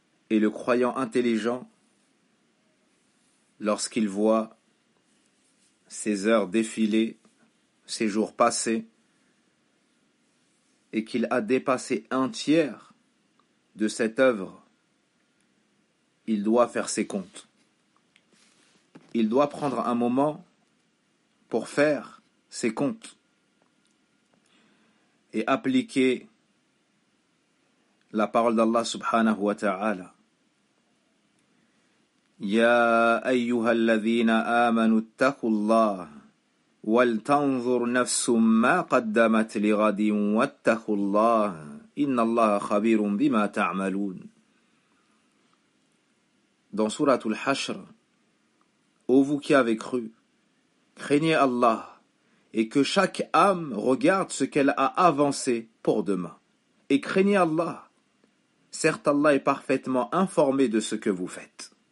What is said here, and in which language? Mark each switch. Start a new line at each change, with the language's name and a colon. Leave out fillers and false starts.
French: Et le croyant intelligent, lorsqu'il voit ses heures défiler, ses jours passer, et qu'il a dépassé un tiers de cette œuvre, il doit faire ses comptes. Il doit prendre un moment pour faire ses comptes et appliquer la parole d'Allah subhanahu wa ta'ala.
Arabic: يا أيها الذين آمنوا اتقوا الله ولتنظر نفس ما قدمت لغد واتقوا الله إن الله خبير بما تعملون.
French: Dans sourate Al-Hashr, ô vous qui avez cru, craignez Allah et que chaque âme regarde ce qu'elle a avancé pour demain. Et craignez Allah, certes Allah est parfaitement informé de ce que vous faites.